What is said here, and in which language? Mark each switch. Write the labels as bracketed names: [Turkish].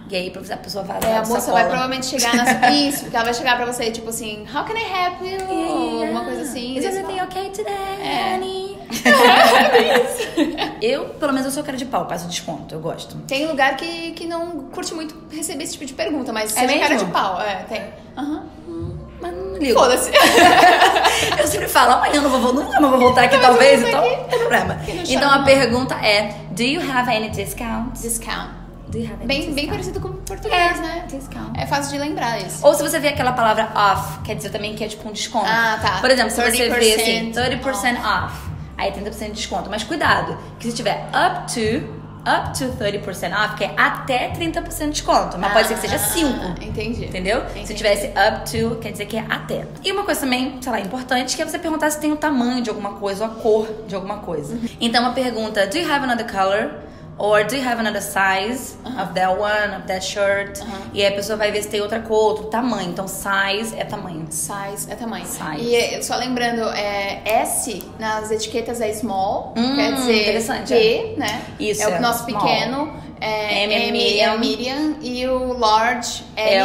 [Portuguese] E aí, a pessoa vai lá na sacola. A moça vai provavelmente chegar na isso, porque ela vai chegar pra você, tipo assim, [English] how can I help you? Yeah. [Portuguese] Ou alguma coisa assim. [English] Is everything okay today, honey? [Portuguese] Eu, pelo menos, eu sou cara de pau, peço desconto, eu gosto. Tem lugar que não curte muito receber esse tipo de pergunta, mas é cara de pau. É, tem. Mas não ligo. Foda-se. Eu sempre falo, amanhã não vou voltar, nunca mais vou voltar aqui, talvez, então, não tem problema. Então, a pergunta é, [English] do you have any discounts? Discount. Do you have any [Portuguese] bem parecido com português, né? [English] Discount. [Portuguese] É fácil de lembrar isso. Ou se você vê aquela palavra off, quer dizer também que é tipo um desconto. Ah, tá. Por exemplo, se você vê assim, 30% off, aí 30% de desconto. Mas cuidado, que se tiver up to, up to 30% off, que é até 30% de desconto. Mas pode ser que seja 5%. Entendi. Entendeu? Entendi. Se tivesse up to, quer dizer que é até. E uma coisa também, sei lá, importante, que é você perguntar se tem o tamanho de alguma coisa, ou a cor de alguma coisa. Uhum. Então, uma pergunta, [English] do you have another color? Or do you have another size of that one, of that shirt? [Portuguese] Uhum. E aí a pessoa vai ver se tem outra cor, outro tamanho. Então, size é tamanho. Size é tamanho. Size. E só lembrando, é S nas etiquetas é small. Quer dizer, P, é, né? Isso, é o nosso small. Pequeno. É, M é medium. Medium. E o large é